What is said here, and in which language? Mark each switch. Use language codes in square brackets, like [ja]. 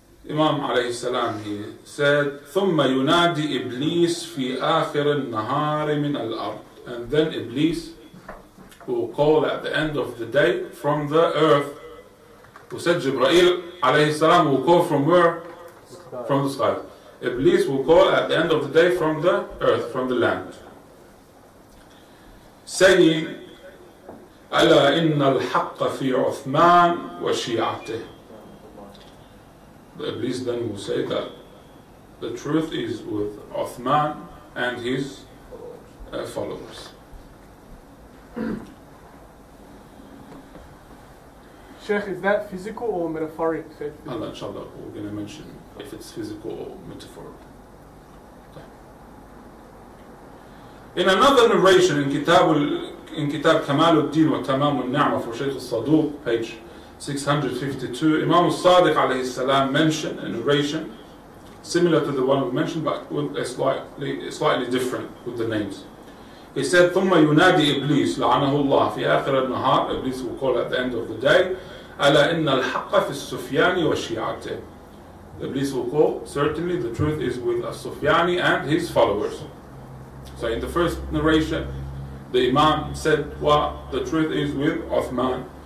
[ar] إمام عليه السلام [en] said, [ar] ثم ينادي إبليس في آخر النهار من الأرض. [en] And then Iblis will call at the end of the day from the earth. وسيد جبرائيل عليه السلام will call from where? From the sky. Iblis will call at the end of the day from the earth, from the land. Saying, [ar] ألا إن الحق في عثمان وشيعته. [en] Iblis then will say that the truth is with Uthman and his followers. Sheikh, is that physical or metaphoric? Allah, inshallah, we're going to mention if it's physical or metaphoric. In another narration in Kitab Kamal al-Din wa Tamam al-Ni'ma for Shaykh al-Saduq, page 652, Imam al-Sadiq alayhi salam mentioned a narration similar to the one we mentioned, but with a slightly different with the names. He said, [ar] ثم ينادي إبليس لعنه الله في آخر النهار. [en] Iblis will call at the end of the day, [ar] ألا إن الحق في السفيان وشيعته. [en] Iblis will call, certainly the truth is with al-Sufyani and his followers. So in the first narration, the Imam said, well, the truth is with Uthman.